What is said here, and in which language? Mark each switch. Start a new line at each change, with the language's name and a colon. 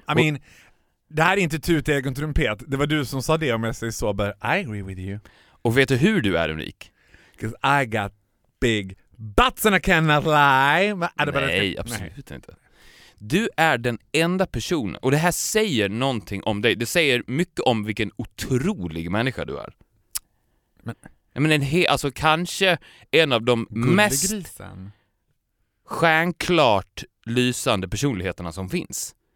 English: I mean,
Swedish: det här är inte tut i egen trumpet. Det var du som sa det om jag säger så.
English: But I agree with you.
Swedish: Och vet du hur du är unik?
English: Because I got big butts and I cannot lie.
Swedish: Nej, absolut inte. Du är den enda personen. Och det här säger någonting om dig. Det säger mycket om vilken otrolig människa du är. Men alltså kanske en av de mest... Gullegrisen. Stjärnklart lysande personligheterna som finns.